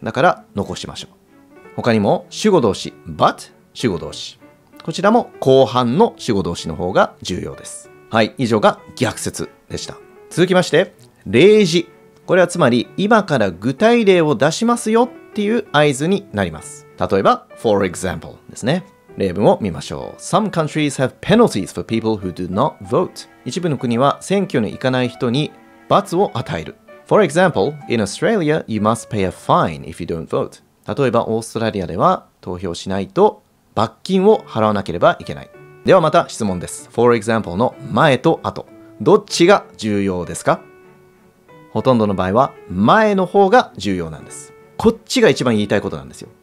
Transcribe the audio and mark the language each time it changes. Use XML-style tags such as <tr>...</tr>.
<ja>だから残しましょう。他にも主語動詞 but 主語動詞、こちらも後半の主語動詞の方が重要です。はい、以上が逆説でした。続きまして例示、これはつまり今から具体例を出しますよっていう合図になります。例えば for example ですね。例文を見ましょう。</ja> <en>Some countries have penalties for people who do not vote.</en> <ja>一部の国は選挙に行かない人に罰を与える。</ja> <en>For example, in Australia, you must pay a fine if you don't vote.</en> <ja>例えばオーストラリアでは投票しないと罰金を払わなければいけない。ではまた質問です。For example の前と後、どっちが重要ですか？ほとんどの場合は前の方が重要なんです。こっちが一番言いたいことなんですよ。</ja>